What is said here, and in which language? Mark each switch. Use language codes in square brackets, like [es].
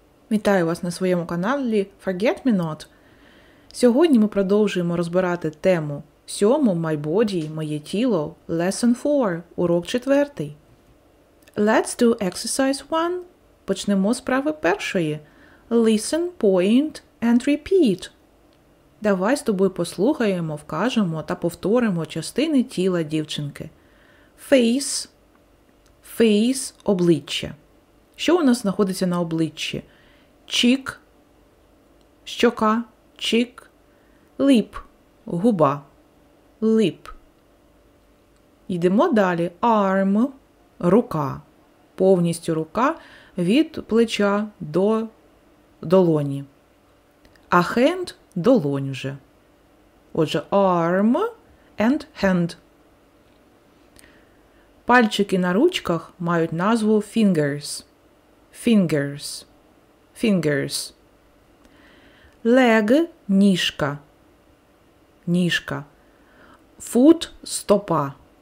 [uk] Вітаю вас на своєму каналі Forget Me Not. Сьогодні ми продовжуємо розбирати тему 7 My Body, моє тіло, Lesson 4, урок 4. [en] Let's do exercise 1. [uk] Почнемо з справи першої. [en] Listen, point and repeat. [uk] Давай з тобою послухаємо, вкажемо та повторимо частини тіла дівчинки. [en] Face – face – обличчя. [uk] Що у нас знаходиться на обличчі? [en] Cheek – щока, cheek. Lip – губа, lip. [uk] Йдемо далі. Arm – рука. Повністю рука від плеча до долоні. A hand – долонь вже. [en] Отже, arm and hand. [uk] Пальчики на ручках мають назву fingers. [en] Fingers. Fingers. Leg – ніжка. Ніжка. Foot – стопа.